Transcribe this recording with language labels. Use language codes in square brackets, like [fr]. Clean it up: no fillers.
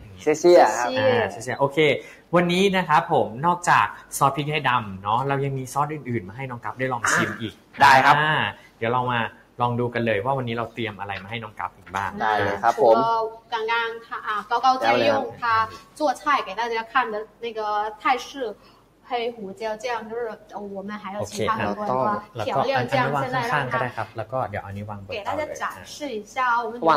[th] เชี่ยโอเควันนี้นะครับผมนอกจากซอสพริกไทยดำเนาะเรายังมีซอสอื่นๆมาให้น้องกั๊บได้ลองชิมอีก ได้ครับ เดี๋ยวเรามาลองดูกันเลยว่าวันนี้เราเตรียมอะไรมาให้น้องกั๊บอีกบ้าง ได้เลยครับผม [zh] ก็刚刚他啊高高在用他做菜给大家看的那个泰式黑胡椒酱就是我们还有其他很多的调料酱现在让他 [th] ได้ครับแล้วก็เดี๋ยวอันนี้วางบ นเตาเลยจะ [zh] 试一下我们放